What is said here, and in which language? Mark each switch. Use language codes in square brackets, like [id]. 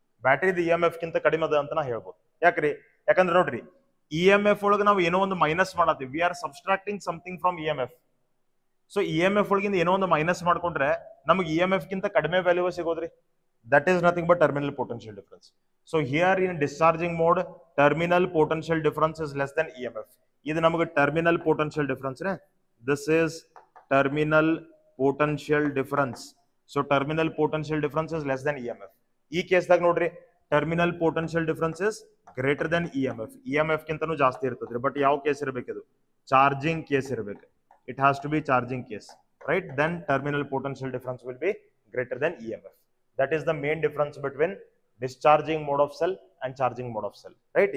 [kn] Battery E M F ಕಿಂತ ಕಡಿಮೆ ಅದ ಅಂತ ನಾ ಹೇಳ್ಬೋದು. ಯಾಕ್ರಿ? ಯಾಕಂದ್ರೆ ನೋಡ್ರಿ, ಇ ಎಂ ಎಫ್ ಒಳಗೆ ನಾವು ಏನೋ ಒಂದು minus ಮಾಡತ್ತೀವಿ, [en] We are subtracting something from E M F. [kn] So E M F ಒಳಗಿಂದ ಏನೋ ಒಂದು ಮೈನಸ್ ಮಾಡ್ಕೊಂಡ್ರೆ ನಮಗೆ ಇ ಎಂ ಎಫ್ ಕಿಂತ ಕಡಿಮೆ value ಸಿಗೋದ್ರಿ. [en] That is nothing but terminal potential difference. So here in discharging mode terminal potential difference is less than E M F. [ta] இது நமக்கு [en] terminal potential difference ने? This is terminal potential difference. So terminal potential difference is less than EMF. [kn] ಈ ಕೇಸ್ದಾಗ ನೋಡ್ರಿ [en] Terminal potential difference is greater than EMF. [kn] EMF ಕಿಂತನು ಜಾಸ್ತಿ ಇರ್ತದ್ರಿ. But ಯಾವ case ಇರಬೇಕು? ಇದು ಚಾರ್ಜಿಂಗ್ ಕೇಸ್ ಇರಬೇಕು. [en] It has to be charging case, right? Then terminal potential difference will be greater than EMF. That is the main difference between discharging mode of cell and charging mode of cell, right?